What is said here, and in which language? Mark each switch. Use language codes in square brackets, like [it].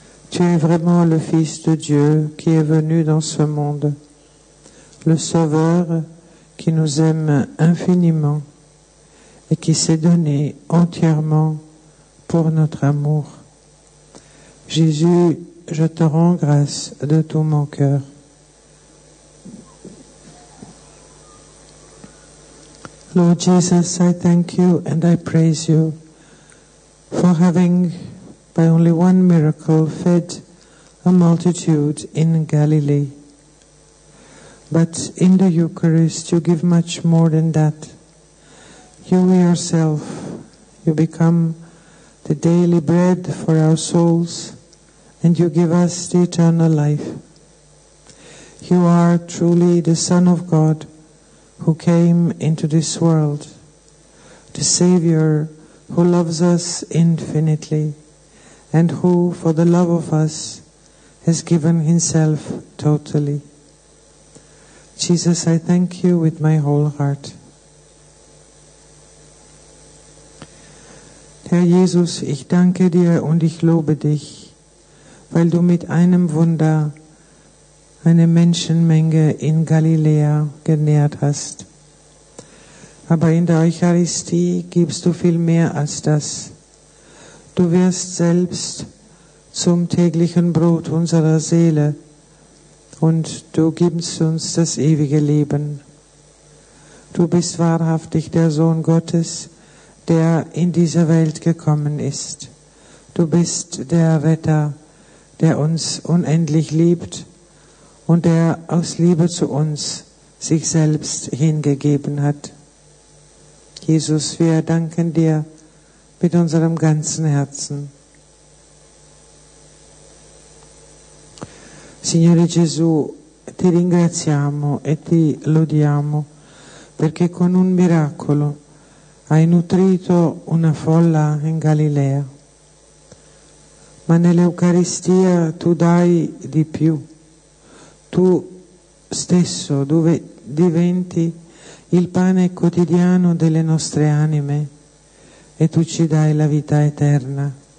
[fr] Tu es vraiment le Fils de Dieu qui est venu dans ce monde, le Sauveur qui nous aime infiniment et qui s'est donné entièrement pour notre amour. Jésus, je te rends grâce de tout mon cœur. [en] Lord Jesus, I thank you and I praise you for having by only one miracle fed a multitude in Galilee. But in the Eucharist you give much more than that. You yourself, you become the daily bread for our souls and you give us the eternal life. You are truly the Son of God who came into this world, the Savior who loves us infinitely and who, for the love of us, has given himself totally. Jesus, I thank you with my whole heart. [de] Herr Jesus, ich danke dir und ich lobe dich, weil du mit einem Wunder eine Menschenmenge in Galiläa genährt hast. Aber in der Eucharistie gibst du viel mehr als das. Du wirst selbst zum täglichen Brot unserer Seele und du gibst uns das ewige Leben. Du bist wahrhaftig der Sohn Gottes, der in diese Welt gekommen ist. Du bist der Retter, der uns unendlich liebt und der aus Liebe zu uns sich selbst hingegeben hat. Jesus, wir danken dir mit unserem ganzen Herzen. [it] Signore Gesù, ti ringraziamo e ti lodiamo perché con un miracolo hai nutrito una folla in Galilea. Ma nell'Eucaristia tu dai di più. Tu stesso dove diventi il pane quotidiano delle nostre anime e tu ci dai la vita eterna.